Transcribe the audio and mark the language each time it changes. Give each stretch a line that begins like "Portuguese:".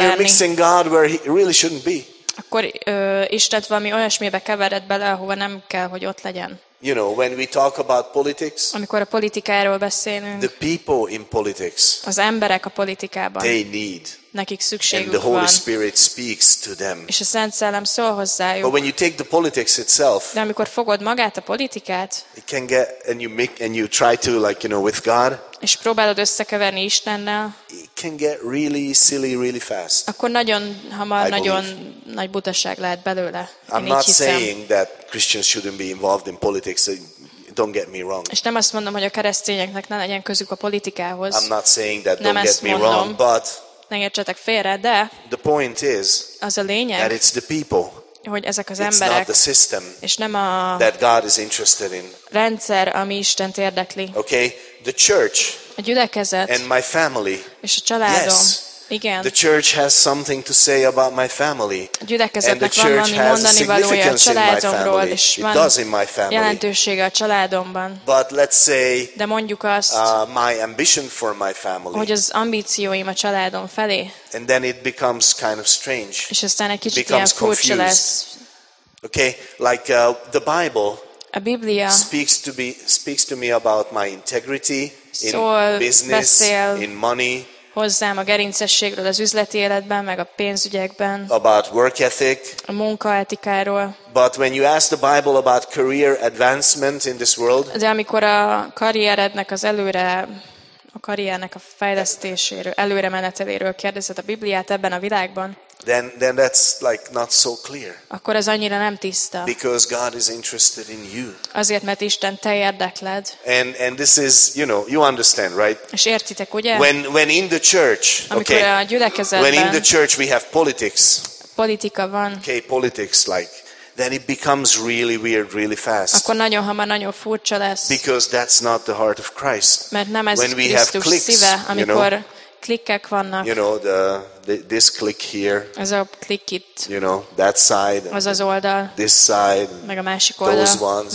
English: then you're mixing God where he really shouldn't be.
Hungarian: Akkor Istent valami olyasmibe kevered bele, ahova nem kell, hogy ott legyen.
English: You know, when we talk about politics,
Hungarian: amikor a politikáról beszélünk,
English: the people in politics,
Hungarian: az emberek a politikában,
English: they need,
Hungarian: nekik szükségük
English: and the Holy
Hungarian: van.
English: Spirit speaks to them.
Hungarian: És a Szent Szellem szól hozzájuk.
English: But when you take the politics itself,
Hungarian: de amikor fogod magát a politikát,
English: it can get, and you make, and you try to, like, you know, with God,
Hungarian: és próbálod összekeverni Istennel,
English: it can get really silly really fast.
Hungarian: Akkor nagyon hamar nagyon nagy butaság lehet belőle.
English: I'm not saying that Christians shouldn't be involved in politics. Don't get me wrong.
Hungarian: És nem azt mondom, hogy a keresztényeknek ne legyen közük a politikához.
English: I'm not saying that,
Hungarian: nem
English: don't get me wrong, but
Hungarian: ne értsetek félre, de
English: the point is,
Hungarian: az a lényeg,
English: that it's the people,
Hungarian: hogy ezek az
English: it's
Hungarian: emberek,
English: not the system,
Hungarian: és nem a
English: that God is interested in.
Hungarian: Rendszer, ami Istent érdekli.
English: Okay? The church,
Hungarian: a gyülekezet,
English: and my family,
Hungarian: és a családom.
English: Yes.
Hungarian: Igen.
English: The church has something to say about my family.
Hungarian: A gyülekezetnek van valami mondani valója a családomról, és van jelentősége a családomban.
English: But let's say,
Hungarian: de mondjuk azt,
English: my ambition for my family,
Hungarian: hogy az ambícióim a családom felé,
English: and then it becomes kind of strange,
Hungarian: és aztán egy kicsit ilyen furcsa lesz.
English: Okay? Like, the Bible,
Hungarian: a Biblia
English: speaks to me about my integrity in
Hungarian: szól,
English: business,
Hungarian: beszél,
English: in money,
Hungarian: hozzám a gerincességről az üzleti életben, meg a pénzügyekben.
English: About work ethic.
Hungarian: A munkaetikáról.
English: But when you ask the Bible about career advancement in this world,
Hungarian: de amikor a karrierednek az előre, a karriernek a fejlesztéséről, előre meneteléről kérdezed a Bibliát ebben a világban,
English: then that's like not so clear.
Hungarian: Akkor ez annyira nem tiszta.
English: Because God is interested in you.
Hungarian: Azért, mert Isten te érdekled.
English: And this is, you know, you understand, right?
Hungarian: És értitek, ugye?
English: When in the church,
Hungarian: amikor
English: okay,
Hungarian: a gyülekezetben,
English: when in the church we have politics,
Hungarian: politika van.
English: Okay, politics, like, then it becomes really weird really fast.
Hungarian: Akkor nagyon hamar nagyon furcsa lesz.
English: Because that's not the heart of Christ.
Hungarian: Mert nem ez
English: when we have clicks,
Hungarian: szíve, amikor,
English: you know,
Hungarian: klikkek vannak.
English: You know, this click here.
Hungarian: Ez a klik itt.
English: You know, that side.
Hungarian: Az az oldal.
English: This side.
Hungarian: Meg a másik oldal.
English: Those ones.